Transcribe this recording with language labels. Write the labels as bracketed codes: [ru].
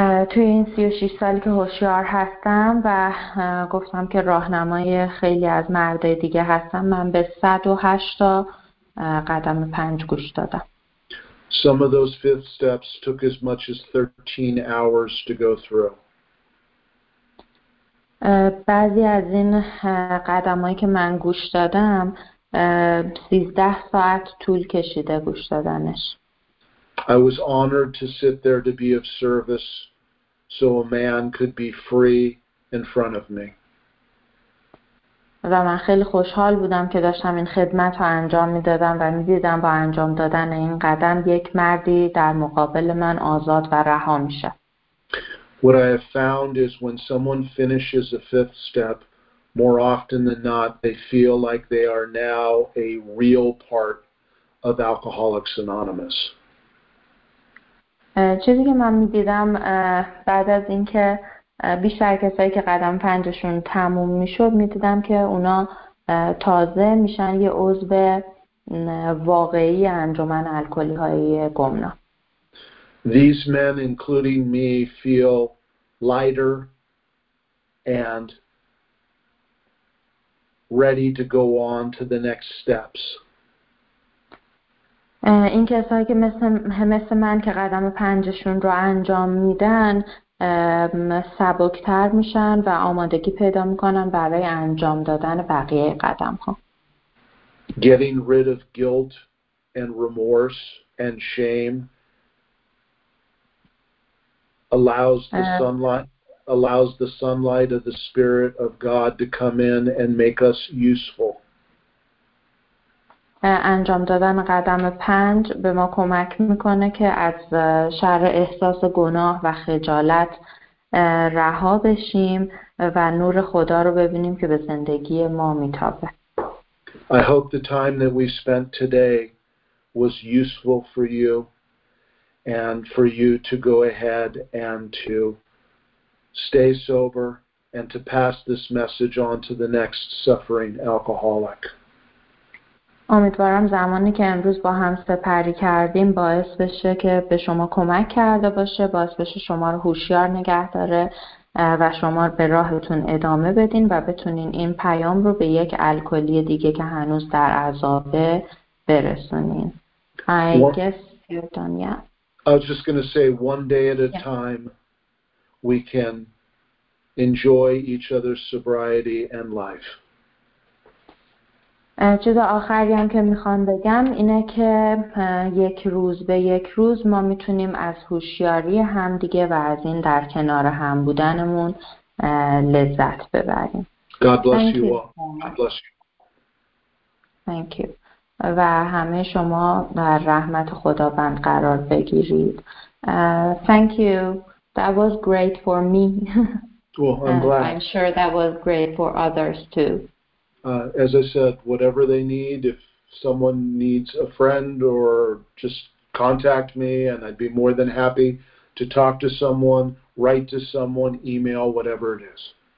[fa] توی این 36 سالی که هوشیار هستم و گفتم که راهنمای خیلی از مردای دیگه هستم، من به 108 تا قدم پنج گوش دادم. [en] Some of those fifth steps took as much as 13 hours to go through. [fa] بعضی از این قدمایی که من گوش دادم 13 ساعت طول کشیده گوش دادنش. [en] I was honored to sit there to be of service so a man could be free in front of me. [fa] و من خیلی خوشحال بودم که داشتم این خدمت رو انجام میدادم و میدیدم با انجام دادن این قدم یک مردی در مقابل من آزاد و رها میشه. [en] What I have found is when someone finishes a fifth step, more often than not, they feel like they are now a real part of Alcoholics Anonymous. [fa] چیزی که من می‌دیدم بعد از اینکه بیشتر کسایی که قدم پنجشون تموم می‌شد، می‌دیدم که اونا تازه میشن یه عضو واقعی انجمن الکلی‌های گمنام. [en] These men, including me, feel lighter and ready to go on to the next steps. [fa] این کسایی که مثل من که قدم پنجشون رو انجام میدن سبکتر میشن و آمادگی پیدا میکنن برای انجام دادن بقیه قدم ها. [en] Getting rid of guilt and remorse and shame allows the sunlight of the Spirit of God to come in and make us useful. [fa] انجام دادن قدم پنج به ما کمک میکنه که از شر احساس گناه و خجالت رها بشیم و نور خدا رو ببینیم که به زندگی ما میتابه. [en] I hope the time that we spent today was useful for you and for you to go ahead and to stay sober and to pass this message on to the next suffering alcoholic. [fa] امیدوارم زمانی که امروز با هم سپری کردیم باعث بشه که به شما کمک کرده باشه، باعث بشه شما رو هوشیار نگه داره و شما به راهتون ادامه بدین و بتونین این پیام رو به یک الکلی دیگه که هنوز در عذابه برسونین. [en] I guess you're done, yeah. I was just going to say one day at a time we can enjoy each other's sobriety and life. [fa] چیز آخری هم که میخوام بگم اینه که یک روز به یک روز ما میتونیم از هوشیاری همدیگه و از این در کنار هم بودنمون لذت ببریم. [en] God bless you all. Thank you. [fa] و همه شما در رحمت خداوند قرار بگیرید. [en] Thank you. That was great for me. Well, I'm glad. I'm sure that was great for others too. As I said, whatever they need, if someone needs a friend or just contact me, and I'd be more than happy to talk to someone, write to someone, email, whatever it is.